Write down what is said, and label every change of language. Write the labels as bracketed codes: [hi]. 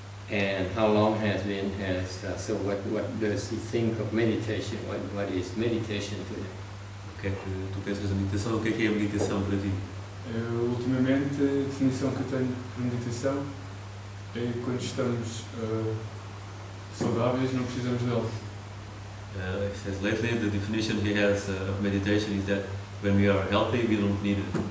[en] And how long has been has so what does he think of meditation? What is meditation to him? [pt] O que é que tu pensas da meditação? O que é a meditação para ti? Ultimamente a definição que eu tenho de meditação é quando estamos saudáveis não precisamos dele. [en] He says lately the definition he has of meditation is that when we are healthy we don't need it.